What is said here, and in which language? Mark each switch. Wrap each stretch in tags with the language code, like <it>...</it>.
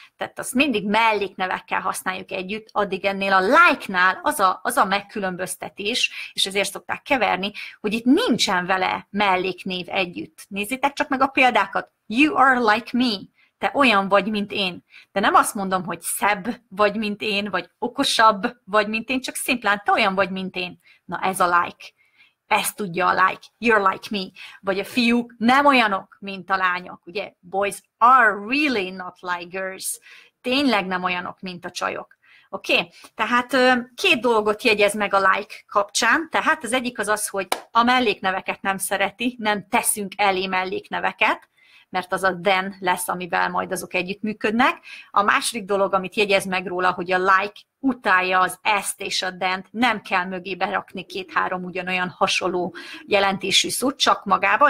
<hu>Tehát azt mindig melléknevekkel használjuk együtt, addig ennél a like-nál az a megkülönböztetés, és ezért szokták keverni, hogy itt nincsen vele melléknév együtt. Nézzétek csak meg a példákat.</hu> <en>You are like me.</en> <hu>Te olyan vagy, mint én. De nem azt mondom, hogy szebb vagy, mint én, vagy okosabb vagy, mint én, csak szimplán te olyan vagy, mint én. Na ez a like. Ezt tudja a like,</hu> <en>you're like me.</en> <hu>Vagy a fiúk nem olyanok, mint a lányok. Ugye,</hu> <en>boys are really not like girls.</en> <hu>Tényleg nem olyanok, mint a csajok. Oké, tehát két dolgot jegyez meg a like kapcsán. Tehát az egyik az az, hogy a mellékneveket nem szereti, nem teszünk elé mellékneveket, mert az a then lesz, amivel majd azok együttműködnek. A második dolog, amit jegyez meg róla, hogy a like utálja az ezt és a dent, nem kell mögé berakni két-három ugyanolyan hasonló jelentésű szót, csak magába.</hu>